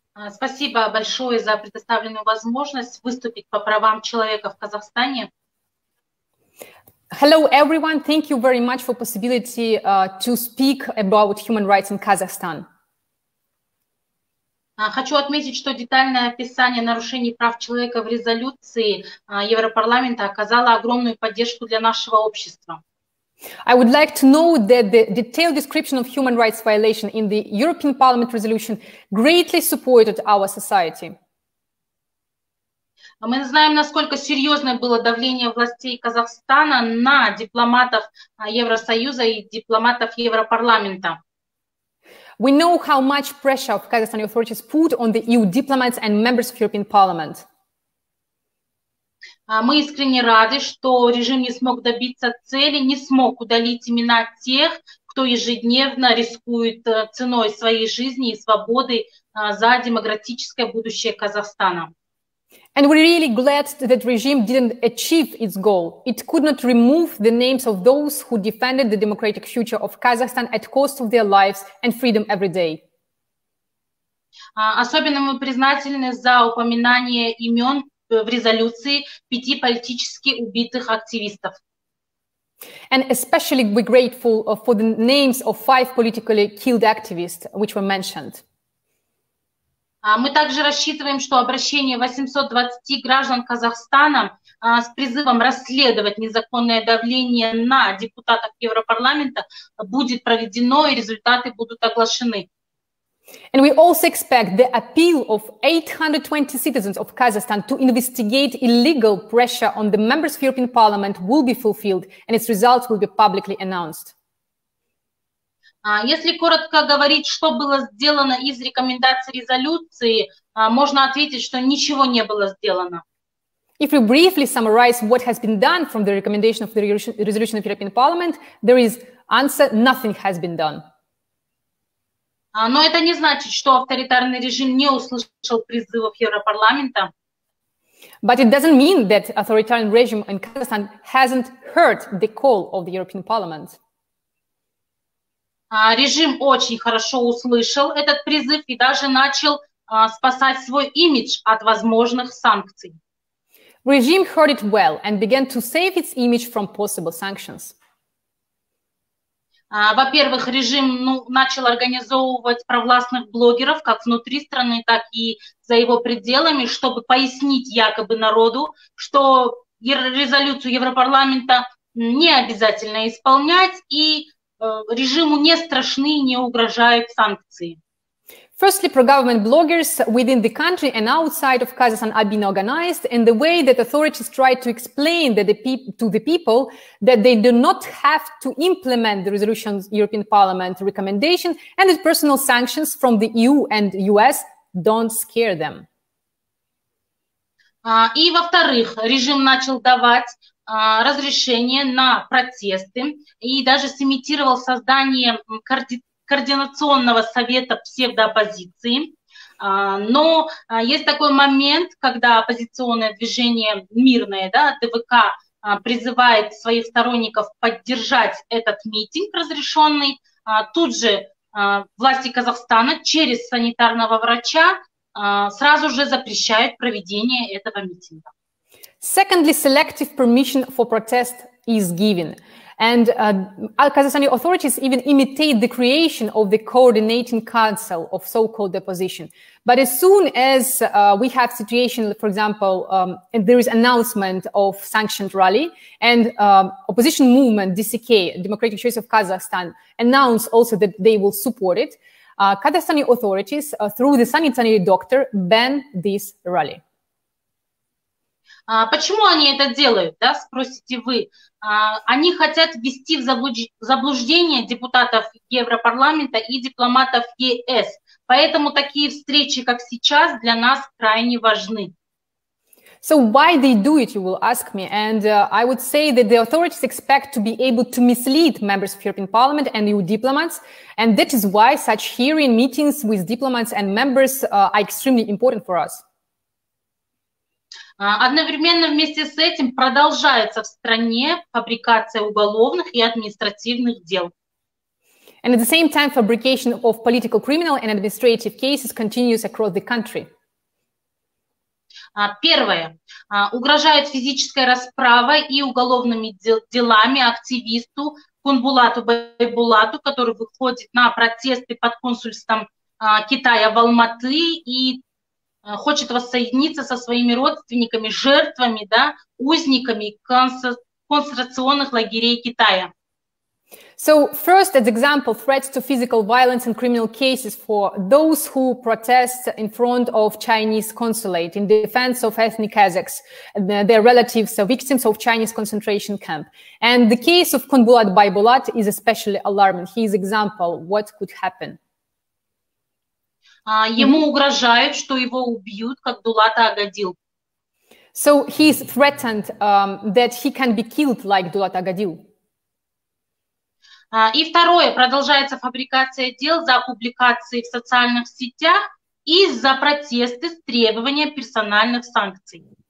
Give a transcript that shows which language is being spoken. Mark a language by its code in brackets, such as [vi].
[ru] Спасибо большое за предоставленную возможность выступить по правам человека в Казахстане. [en] Hello, everyone. Thank you very much for possibility to speak about human rights in Kazakhstan. [ru] Хочу отметить, что детальное описание нарушений прав человека в резолюции Европарламента оказало огромную поддержку для нашего общества. [en] I would like to know that the detailed description of human rights violation in the European Parliament resolution greatly supported our society. [ru] Мы знаем, насколько серьезное было давление властей Казахстана на дипломатов Евросоюза и дипломатов Европарламента. [en] We know how much pressure of Kazakhstani authorities put on the EU diplomats and members of European Parliament. [ru] Мы искренне рады, что режим не смог добиться цели, не смог удалить имена тех, кто ежедневно рискует ценой своей жизни и свободы за демократическое будущее Казахстана. [en] And we're really glad that regime didn't achieve its goal. It could not remove the names of those who defended the democratic future of Kazakhstan at cost of their lives and freedom every day. [ru] Особенно мы признательны за упоминание имен в резолюции пяти политически убитых активистов. [en] And especially we're grateful for the names of five politically killed activists, which were mentioned. [ru] Мы также рассчитываем, что обращение 820 граждан Казахстана с призывом расследовать незаконное давление на депутатов Европарламента будет проведено и результаты будут оглашены. [en] And we also expect the appeal of 820 citizens of Kazakhstan to investigate illegal pressure on the members of the European Parliament will be fulfilled and its results will be publicly announced. [ru] Если коротко говорить, что было сделано из рекомендаций резолюции, можно ответить, что ничего не было сделано. [en] If we briefly summarize what has been done from the recommendation of the resolution of the European Parliament, there is answer, nothing has been done. [ru] Но это не значит, что авторитарный режим не услышал призывов Европарламента. [en] But it doesn't mean that authoritarian regime in Kazakhstan hasn't heard the call of the European Parliament. [ru] Режим очень хорошо услышал этот призыв и даже начал спасать свой имидж от возможных санкций. [en] Regime heard it well and began to save its image from possible sanctions. [ru] Во-первых, режим начал организовывать провластных блогеров как внутри страны, так и за его пределами, чтобы пояснить якобы народу, что резолюцию Европарламента не обязательно исполнять, и режиму не страшны, не угрожают санкции. [en] Firstly, pro-government bloggers within the country and outside of Kazakhstan are being organized, and the way that authorities try to explain that to the people that they do not have to implement the resolutions, European Parliament recommendation, and the personal sanctions from the EU and US don't scare them. [ru] И во-вторых, режим начал давать разрешение на протесты и даже сымитировал создание координационного совета псевдооппозиции. Но есть такой момент, когда оппозиционное движение мирное, да, ДВК, призывает своих сторонников поддержать этот митинг разрешенный. Тут же власти Казахстана через санитарного врача сразу же запрещают проведение этого митинга. [en] Secondly, selective permission for protest is given. And Kazakhstani authorities even imitate the creation of the coordinating council of so-called opposition. But as soon as we have situation, for example, and there is announcement of sanctioned rally and opposition movement DCK, Democratic Choice of Kazakhstan, announce also that they will support it, Kazakhstani authorities, through the sanitary doctor, ban this rally. [ru] Почему они это делают, да, спросите вы? Они хотят ввести в заблуждение депутатов Европарламента и дипломатов ЕС. Поэтому такие встречи, как сейчас, для нас крайне важны. [en] So why they do it, you will ask me. And I would say that the authorities expect to be able to mislead members of European Parliament and EU diplomats. And that is why such hearing meetings with diplomats and members are extremely important for us. [ru] Одновременно вместе с этим продолжается в стране фабрикация уголовных и административных дел. [en] And at the same time, fabrication of political criminal and administrative cases continues across the country. [ru] Первое. Угрожает физической расправой и уголовными делами активисту Кунбулату Байбулату, который выходит на протесты под консульством Китая в Алматы и хочет воссоединиться со своими родственниками, жертвами, да, узниками концентрационных лагерей Китая. [en] So first, as example, threats to physical violence and criminal cases for those who protest in front of Chinese consulate in defense of ethnic Kazakhs, their relatives, victims of Chinese concentration camp. And the case of Kunbulat Baybulat is especially alarming. His example, what could happen? [ru] Ему угрожают, что его убьют, как Дулата Агадил. [en] So he is threatened that he can be killed like Дулат Агадил. [ru] И второе, продолжается фабрикация дел за публикации в социальных сетях и за протесты с требованием персональных санкций.